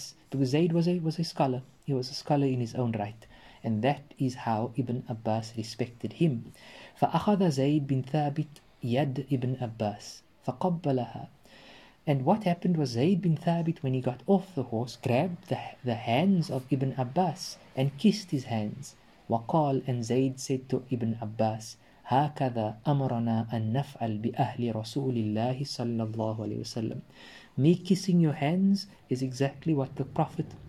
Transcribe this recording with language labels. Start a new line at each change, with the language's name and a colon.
English: Because Zayd was a scholar. He was a scholar in his own right. And that is how Ibn Abbas respected him.
Arabic: فَأَخَذَ زَيْدْ بِنْ ثَابِتْ يَدْ Ibn Abbas فَقَبَّلَهَا.
English: And what happened was Zayd bin Thabit, when he got off the horse, grabbed the hands of Ibn Abbas and kissed his hands.
Arabic: وَقَالْ,
English: and Zayd said to Ibn Abbas,
Arabic: هَكَذَا أَمَرَنَا أَن نَفْعَلْ بِأَهْلِ رَسُولِ اللَّهِ صَلَّى اللَّهُ عَلَيْهِ وَسَلَّمُ.
English: Me kissing your hands is exactly what the Prophet